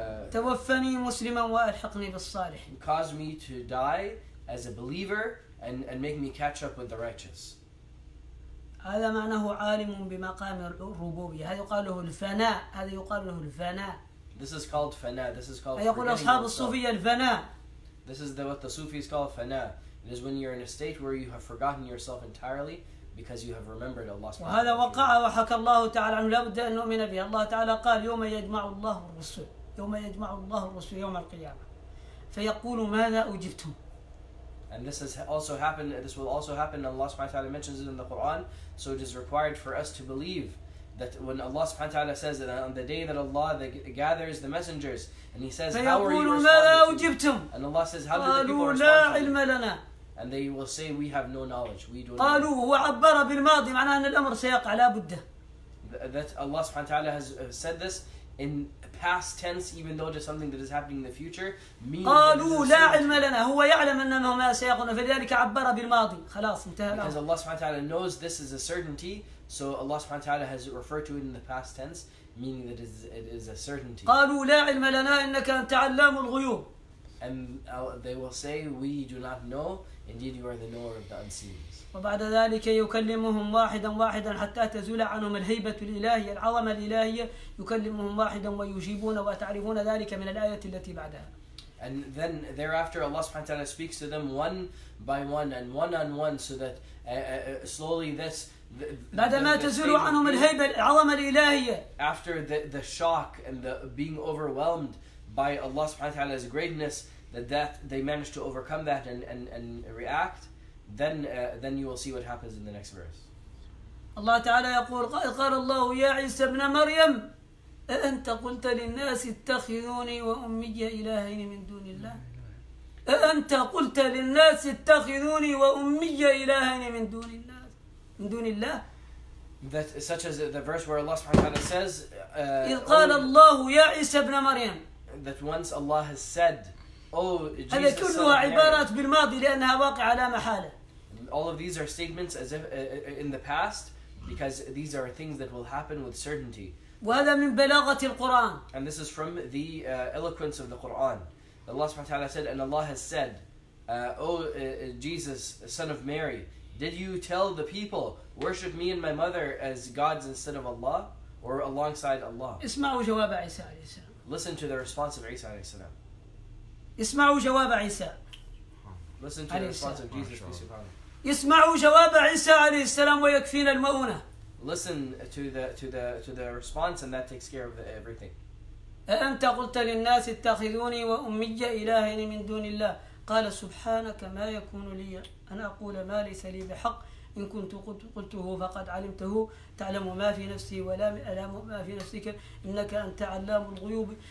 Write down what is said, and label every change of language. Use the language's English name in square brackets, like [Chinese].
[Arabic] توفني مسلما وألحقني بالصالحين. [English] Cause me to die as a believer and make me catch up with the righteous. [Arabic] هذا معناه عالم بمقام الربوبية. هذا يقال له الفناء. هذا يقال له الفناء. [English] This is called فناء. This is called. [Arabic] يقول أصحاب الصوفية الفناء. [English] This is what the Sufis call فناء. It is when you're in a state where you have forgotten yourself entirely. Because you have remembered Allah. [Arabic] وهذا وقع وحكى الله تعالى عنه لا بد أن نؤمن به. الله تعالى قال يوم يجمع الله الرسل يوم يجمع الله الرسل يوم القيامة. فيقول ماذا أجبتم؟ [English] And this has also happened. This will also happen. Allah [Arabic] سبحانه وتعالى [English] mentions it in the Quran. So it is required for us to believe that when Allah [Arabic] سبحانه وتعالى [English] says that on the day that Allah gathers the messengers and He says how are you responding? [Arabic] فيقول ماذا أجبتم؟ [English] And Allah says how did the people respond? [Arabic] قالوا لا علم لنا. [English] And they will say, "We have no knowledge. We don't." [Arabic] قالوا هو عبر بالماضي معناه أن الأمر سيقع لا بد. [English] That Allah [Arabic] سبحانه وتعالى [English] has said this in past tense, even though it is something that is happening in the future. [Arabic] قالوا لا علم لنا. هو يعلم أنما ما سيقون. فلذلك عبر بالماضي. خلاص انتهى. [English] Because Allah [Arabic] سبحانه وتعالى [English] knows this is a certainty, so Allah سبحانه وتعالى has referred to it in the past tense, meaning that it is a certainty. [Arabic] قالوا لا علم لنا إنك أنت علام الغيوب. [English] And they will say, "We do not know. Indeed, you are the knower of the unseen." [Arabic] وبعد ذلك يكلمهم واحدا واحدا حتى تزول عنهم الهيبة الإلهية العظمة الإلهية يكلمهم واحدا ويجيبون وتعرفون ذلك من الآية التي بعدها. [English] And then thereafter, Allah subhanahu wa ta'ala speaks to them one by one and one on one, so that slowly this... After the shock and the being overwhelmed by Allah subhanahu wa ta'ala's greatness, that they manage to overcome that and react, then you will see what happens in the next verse. [Arabic] الله تعالى يقول قال الله يا عيسى ابن مريم أأنت قلت للناس اتخذوني وأمي إلهين من دون الله أأنت قلت للناس اتخذوني وأمي إلهين من دون الله من دون الله [English] that such as the verse where Allah subhanahu wa ta'ala says [Arabic] إذ قال الله يا عيسى ابن مريم [English] that once Allah has said oh Jesus [Arabic] هذه كلها عبارات بالماضي لأنها واقعة لا محالة [English] all of these are statements as if in the past because these are things that will happen with certainty. [Arabic] وهذا من بلاغة القرآن. [English] And this is from the eloquence of the Quran. Allah subhanahu wa ta'ala said, and Allah has said, O Jesus, son of Mary, did you tell the people, worship me and my mother as gods instead of Allah, or alongside Allah? [Arabic] اسمعوا جواب عيسى عليه السلام. [English] Listen to the response of Isa alayhi salam. [Arabic] اسمعوا جواب عيسى. [English] Listen to the response of Jesus, peace be upon him. [Arabic] اسمعوا جواب عيسى عليه السلام ويكفينا المؤونة. [English] Listen to the response and that takes care of everything. [Arabic] أنت قلت للناس اتخذوني وأمي إلهين من دون الله. قال سبحانك ما يكون لي أن أقول ما ليس لي بحق إن كنت قلته فقد علمته تعلم ما في نفسي ولا ألم ما في نفسك إنك أنت علام الغيوب